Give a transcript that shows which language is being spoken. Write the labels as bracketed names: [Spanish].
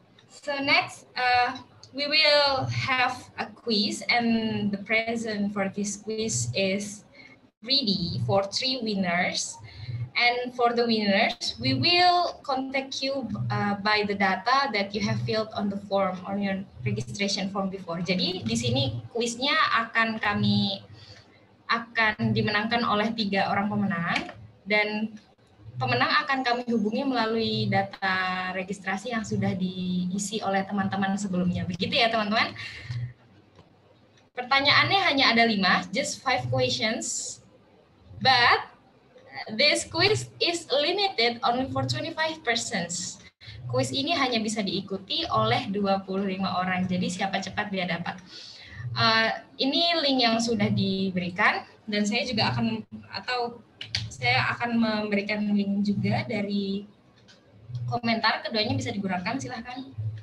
[English] So next, we will have a quiz, and the present for this quiz is ready for three winners. And for the winners, we will contact you by the data that you have filled on the form, on your registration form before. [Indonesian] Jadi di sini kuisnya akan kami akan dimenangkan oleh 3 orang pemenang, dan pemenang akan kami hubungi melalui data registrasi yang sudah diisi oleh teman-teman sebelumnya. Begitu ya teman-teman. Pertanyaannya hanya ada 5, [English] just 5 questions. But this quiz is limited only for 25 persons. [Indonesian] Quiz ini hanya bisa diikuti oleh 25 orang. Jadi siapa cepat dia dapat. Ini link yang sudah diberikan, dan saya juga akan atau saya akan memberikan link juga dari komentar, keduanya bisa digunakan, silahkan.